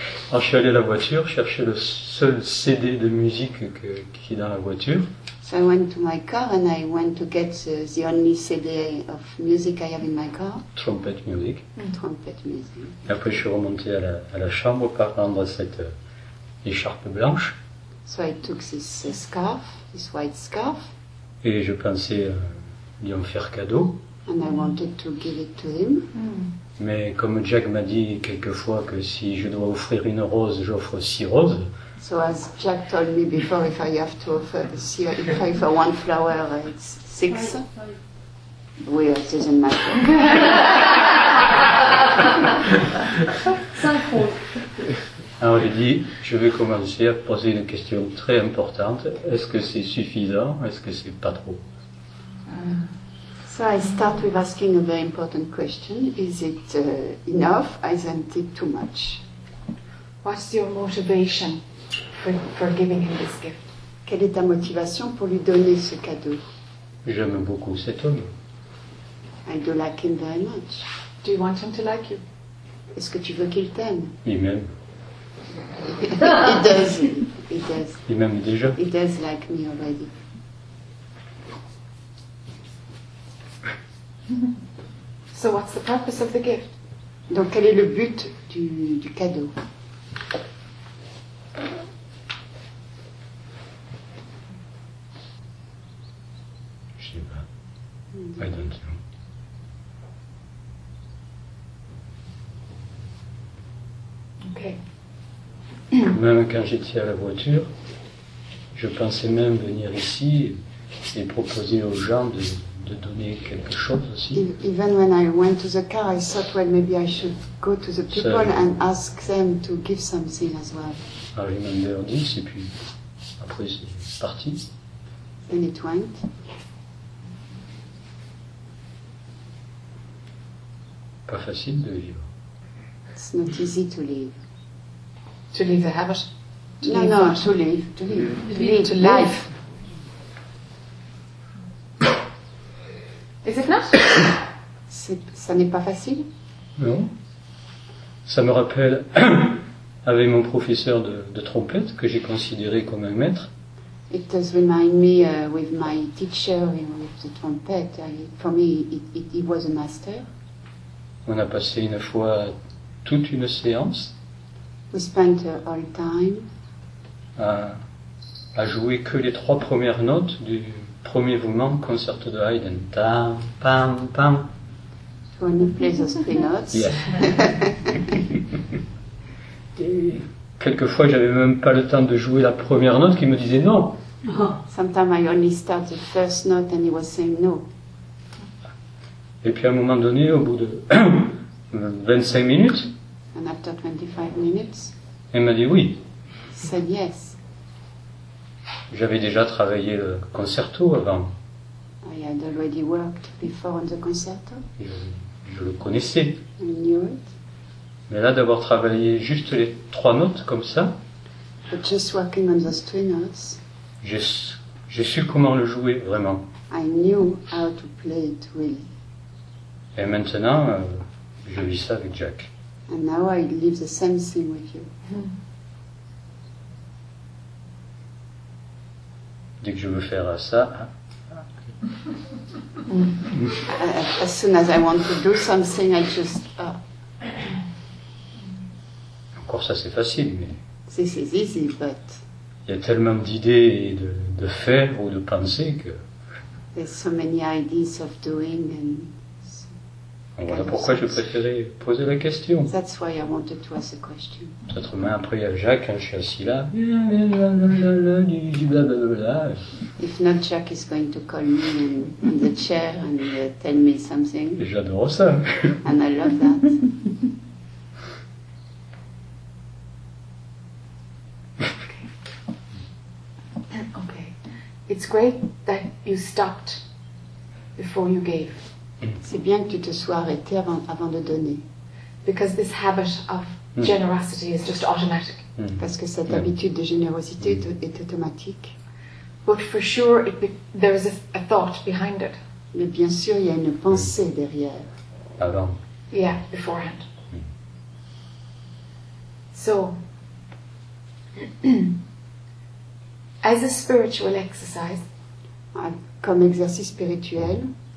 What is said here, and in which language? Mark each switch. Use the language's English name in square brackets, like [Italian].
[French] Alors je suis allé à la voiture chercher le seul CD de musique qui est dans la voiture. [English] So I went to my car and I went to get the only CD of music I have in my car. Trumpet music. Trumpet music. [French] Et après je suis remonté à la chambre pour prendre cette écharpe blanche. [English] So I took this scarf, this white scarf. [French] Et je pensais lui en faire cadeau. [English] And I wanted to give it to him. Mm. [French] Mais comme Jack m'a dit quelquefois que si je dois offrir une rose, j'offre 6 roses. [English] So as Jack told me before, if I have to offer one flower, it's 6. Oui, it doesn't matter. 5 roses. [French] Alors j'ai dit, je vais commencer à poser une question très importante. Est-ce que c'est suffisant? Est-ce que c'est pas trop? [English] So I start with asking a very important question. Is it enough? Isn't it too much? What's your motivation for giving him this gift? [French] Quelle est ta motivation pour lui donner ce cadeau? J'aime beaucoup cet homme. [English] I do like him very much. Do you want him to like you? [French] Est-ce que tu veux qu'il t'aime? Il m'aime. [English] He does. [French] Il m'aime déjà. [English] He does like me already. So what's the purpose of the gift? [French] Donc quel est le but du cadeau? Je sais pas. Mm-hmm. [English] I don't know. Okay. [French] Même quand j'étais à la voiture, je pensais même venir ici et proposer aux gens de donner quelque chose aussi. [English] Even when I went to the car, I thought, well, maybe I should go to the people and ask them to give something as well. I remember this, [French] et puis après c'est parti. [English] Then it went. [French] Pas facile de vivre. [English] It's not easy to live. To leave the habit. To live. Is it not? [French] Ça n'est pas facile. Non. Ça me rappelle avec mon professeur de trompette que j'ai considéré comme un maître. [English] It does remind me with my teacher with the trumpet. For me, he was a master. [French] On a passé une fois toute une séance. [English] We spent all time. [French] À jouer que les trois premières notes du premier mouvement concerto de Haydn. Tam, pam, pam. Tu veux nous jouer ces trois notes? [English] Yes. [French] Quelquefois, j'avais même pas le temps de jouer la première note qui me disait non. [English] Sometimes I only start the first note and he was saying no. [French] Et puis à un moment donné, au bout de 25 minutes. [English] And after 25 minutes. [French] Il m'a dit oui. [English] Said yes. [French] J'avais déjà travaillé le concerto avant. [English] I had already worked before on the concerto. [French] Je le connaissais. [English] I knew it. [French] Mais là, d'avoir travaillé juste les trois notes comme ça. [English] But just working on those three notes. [French] J'ai su comment le jouer vraiment. [English] I knew how to play it really. [French] Et maintenant, je vis ça avec Jack. [English] And now I live the same thing with you. [French] Dès que je veux faire ça. [English] As soon as I want to do something, I just. [French] Encore ça, c'est facile, mais. [English] This is easy, but. [French] Il y a tellement d'idées et de faire ou de penser que. [English] There's so many ideas of doing and. [French] Voilà pourquoi je préférais poser la question. [English] That's why I wanted to ask the question. [French] Peut-être même après, il y a Jacques, hein, je suis assis là. Blablabla. [English] If not, Jack is going to call me on the chair and tell me something. [French] Et j'adore ça. [English] And I love that. Okay. It's great that you stopped before you gave. [French] C'est bien que tu te sois arrêté avant de donner. [English] Because this habit of generosity is just automatic. [French] Parce que cette habitude de générosité est automatique. [English] But for sure, there is a thought behind it. [French] Mais bien sûr, il y a une pensée derrière. Avant. [English] Yeah, beforehand. So, as a spiritual exercise, [French] comme exercice spirituel.